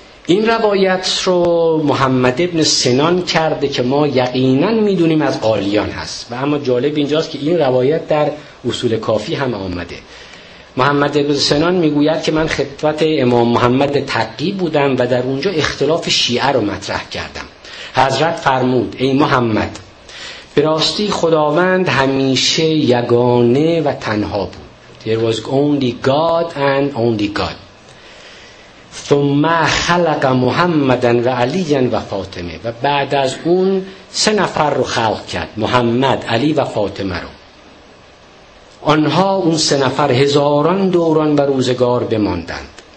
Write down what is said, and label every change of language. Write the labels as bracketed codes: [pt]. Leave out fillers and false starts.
[fa] این روایت رو محمد ابن سنان کرده که ما یقینا میدونیم از قالیان هست، و اما جالب اینجاست که این روایت در اصول کافی هم آمده. محمد ابن سنان میگوید که من خدمت امام محمد تقی بودم و در اونجا اختلاف شیعه رو مطرح کردم. حضرت فرمود ای محمد، براستی خداوند همیشه یگانه و تنها بود. [en] There was only God and only God. [ar] ثم خلق محمدن و علیان و فاطمه، [fa] و بعد از اون سه نفر رو خلق کرد، محمد، علی و فاطمه رو. آنها اون سه نفر هزاران دوران و روزگار بماندند.